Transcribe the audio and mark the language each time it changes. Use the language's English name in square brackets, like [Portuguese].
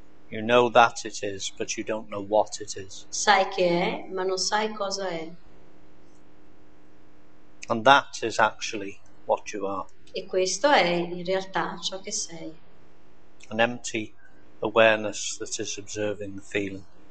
[English] You know that it is, but you don't know what it is. [Italian] Sai che è, ma non sai cosa è. [English] And that is actually what you are. [Italian] E questo è in realtà ciò che sei. [English] An empty awareness that is observing the feeling.